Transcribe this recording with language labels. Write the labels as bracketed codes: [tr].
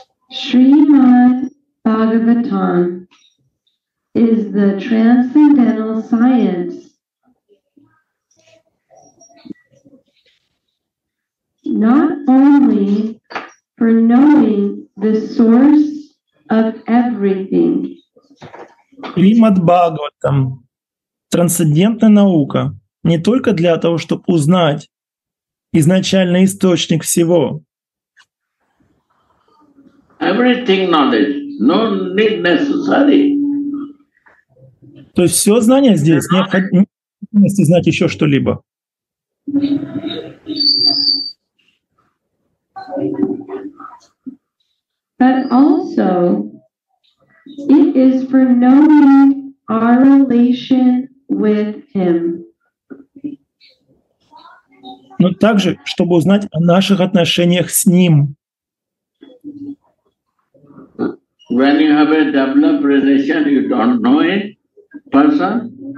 [en] Srimad Bhagavatam is the transcendental science, not only for knowing the source of everything. [ru] Srimad Bhagavatam – трансцендентная наука не только для того, чтобы узнать изначальный источник всего. [en] Everything knowledge, no need necessary. [ru] То есть все знания здесь, необходимо знать еще что-либо. [en] But also, it is for knowing our relation with him. [ru] Но также, чтобы узнать о наших отношениях с ним. [en] When you have a developed relation, you don't know a person.